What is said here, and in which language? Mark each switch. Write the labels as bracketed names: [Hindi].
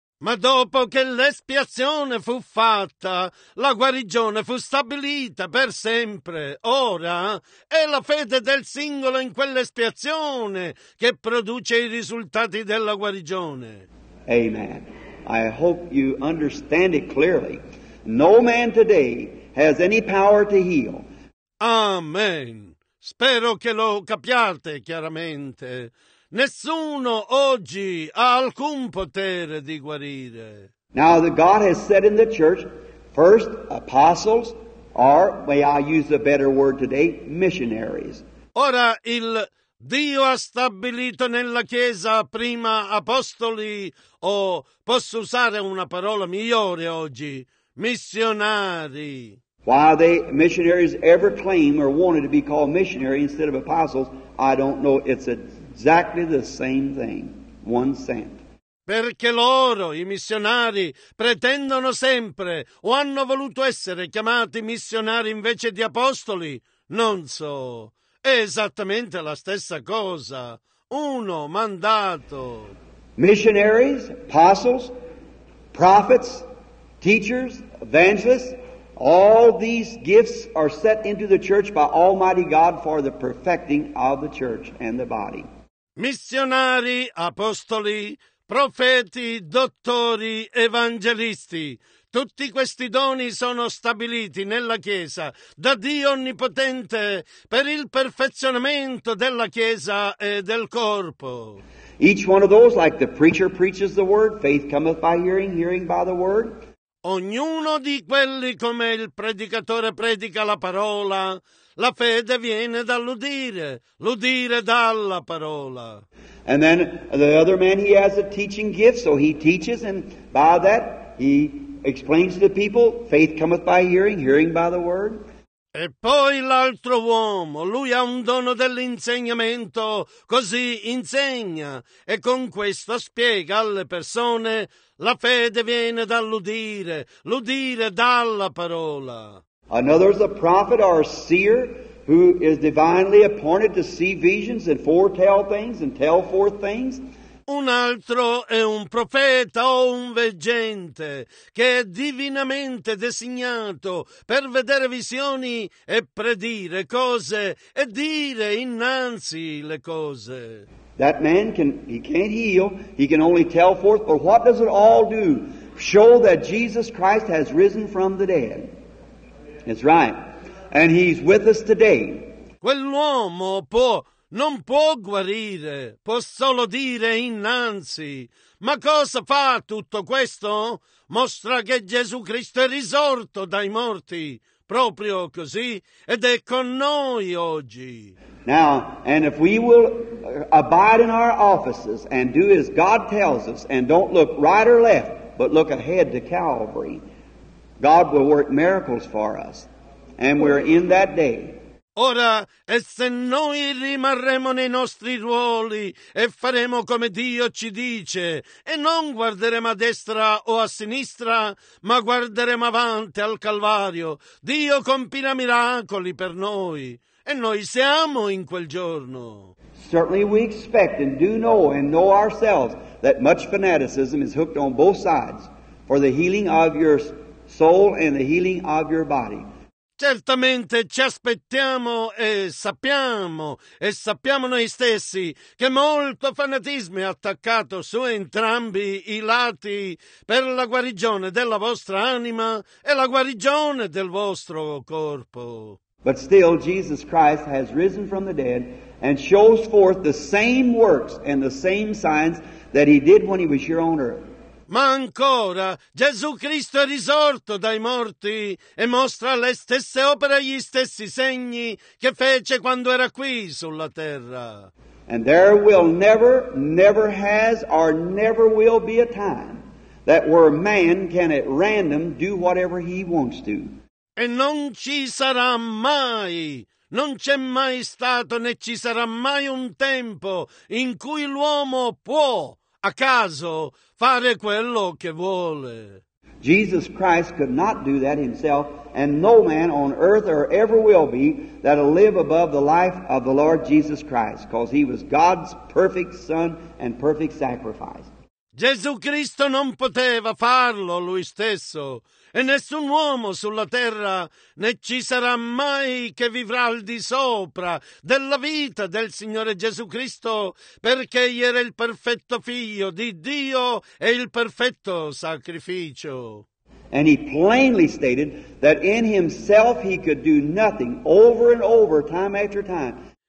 [Italian] Ma dopo che l'espiazione fu fatta, la guarigione fu stabilita per sempre. Ora è la fede del singolo in quell'espiazione che produce i risultati della guarigione. Amen. [English] I hope you understand it clearly. No man today has any power to heal. Amen. [Italian] Spero che lo capiate chiaramente. Nessuno oggi ha alcun potere di guarire. [English] Now that God has said in the church, first apostles are, may I use a better word today, missionaries. [Italian] Ora il Dio ha stabilito nella Chiesa prima apostoli, o posso usare una parola migliore oggi, missionari. [English] Why they missionaries ever claim or wanted to be called missionaries instead of apostles, I don't know. It's exactly the same thing. One cent. [Italian] Perché loro, i missionari, pretendono sempre o hanno voluto essere chiamati missionari invece di apostoli? Non so. È esattamente la stessa cosa. Uno mandato. [English] Missionaries, apostles, prophets, teachers, evangelists, all these gifts are set into the church by Almighty God for the perfecting of the church and the body. [Italian] Missionari, apostoli, profeti, dottori, evangelisti. Tutti questi doni sono stabiliti nella Chiesa da Dio Onnipotente per il perfezionamento della Chiesa e del corpo. [English] Each one of those, like the preacher preaches the word, faith cometh by hearing, hearing by the word. [Italian] Ognuno di quelli come il predicatore predica la parola, la fede viene dall'udire, l'udire dalla parola. [English] And then the other man, he has a teaching gift, so he teaches, and by that he explains to the people, faith cometh by hearing, hearing by the word. [Italian] E poi l'altro uomo, lui ha un dono dell'insegnamento, così insegna, e con questo spiega alle persone, la fede viene dall'udire, l'udire dalla parola. [English] Another is a prophet or a seer who is divinely appointed to see visions and foretell things and tell forth things. [Italian] Un altro è un profeta o un veggente che è divinamente designato per vedere visioni e predire cose e dire innanzi le cose. [English] That man can't heal, he can only tell forth, but what does it all do? Show that Jesus Christ has risen from the dead. That's right. And he's with us today. [Italian] Quell'uomo non può guarire, può solo dire innanzi. Ma cosa fa tutto questo? Mostra che Gesù Cristo è risorto dai morti, proprio così, ed è con noi oggi. [English] Now, and if we will abide in our offices and do as God tells us and don't look right or left, but look ahead to Calvary, God will work miracles for us. And we're in that day. [Italian] Ora, e se noi rimarremo nei nostri ruoli e faremo come Dio ci dice, e non guarderemo a destra o a sinistra, ma guarderemo avanti al Calvario, Dio compirà miracoli per noi, e noi siamo in quel giorno. [English] Certainly we expect and do know and know ourselves that much fanaticism is hooked on both sides for the healing of your soul and the healing of your body. [Italian] Certamente ci aspettiamo e sappiamo noi stessi che molto fanatismo è attaccato su entrambi i lati per la guarigione della vostra anima e la guarigione del vostro corpo. [English] But still Jesus Christ has risen from the dead and shows forth the same works and the same signs that he did when he was here on earth. [Italian] Ma ancora, Gesù Cristo è risorto dai morti e mostra le stesse opere e gli stessi segni che fece quando era qui sulla terra. [English] And there will never, never has, or never will be a time that where man can at random do whatever he wants to. [Italian] E non ci sarà mai. Non c'è mai stato né ci sarà mai un tempo in cui l'uomo può a caso fare quello che vuole. [English] Jesus Christ could not do that himself, and no man on earth or ever will be that'll live above the life of the Lord Jesus Christ, because he was God's perfect son and perfect sacrifice. [Italian] Gesù Cristo non poteva farlo lui stesso, e nessun uomo sulla terra né ci sarà mai che vivrà al di sopra della vita del Signore Gesù Cristo, perché egli era il perfetto figlio di Dio e il perfetto sacrificio. [English] And he plainly stated that in himself he could do nothing over and over, time after time.